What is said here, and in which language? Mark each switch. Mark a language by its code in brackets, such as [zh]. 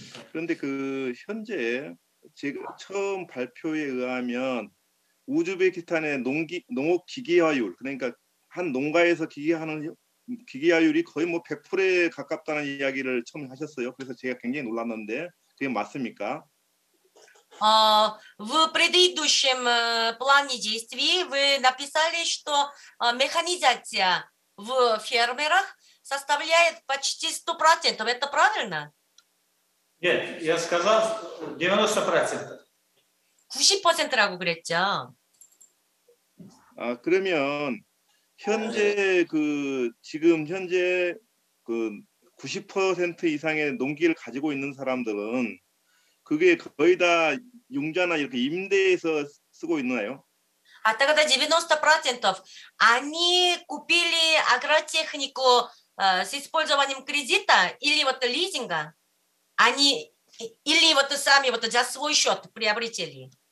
[ko] 그런데 그 현재 제가 처음 발표에 의하면 우즈베키스탄의 농업 기계화율, 그러니까 한 농가에서 기계하는 기계화율이 거의 뭐 100%에 가깝다는 이야기를 처음 하셨어요. 그래서 제가 굉장히 놀랐는데 그게 맞습니까? [ru] В предыдущем плане действий вы написали, что механизация в фермерах составляет почти 100%. Это правильно? Нет, я сказал 90%. [ko] 90%라고 그랬죠. 아, 그러면 현재 그 지금 현재 그 90% 이상의 농기를 가지고 있는 사람들은 그게 거의 다 용자나 이렇게 임대해서 쓰고 있나요? [ru] 아, тогда 90% они купили агротехнику с использованием кредита или вот лизинга. Они или вот сами вот за свой счёт приобретели.